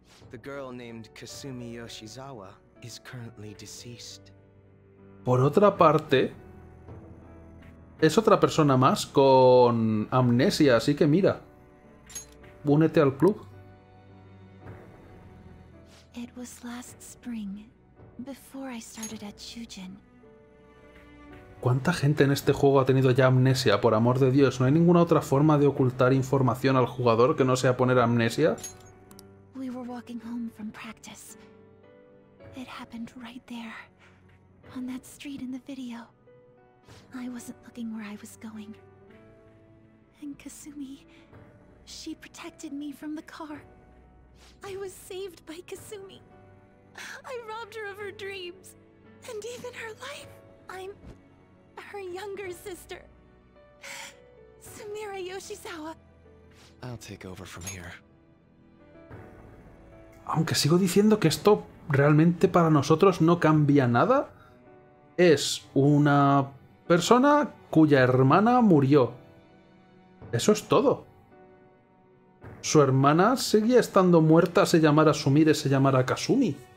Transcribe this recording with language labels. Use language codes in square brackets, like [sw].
[en] The girl named Kasumi Yoshizawa is currently deceased. [es] Por otra parte, es otra persona más con amnesia, así que mira. Únete al club. [en] It was last spring, before I started at Chujin. [es] ¿Cuánta gente en este juego ha tenido ya amnesia? Por amor de Dios, ¿no hay ninguna otra forma de ocultar información al jugador que no sea poner amnesia? [en] We were walking home from practice. It happened right there, on that street in the video. I wasn't looking where I was going. And Kasumi, she protected me from the car. I was saved by Kasumi. I robbed her of her dreams, and even her life. I'm... her younger sister, Samira Yoshizawa. I'll take over from here. [es] Aunque sigo diciendo que esto realmente para nosotros no cambia nada, es una persona cuya hermana murió. Eso es todo. Su hermana seguía estando muerta, se llamara Sumire, se llamara Kasumi.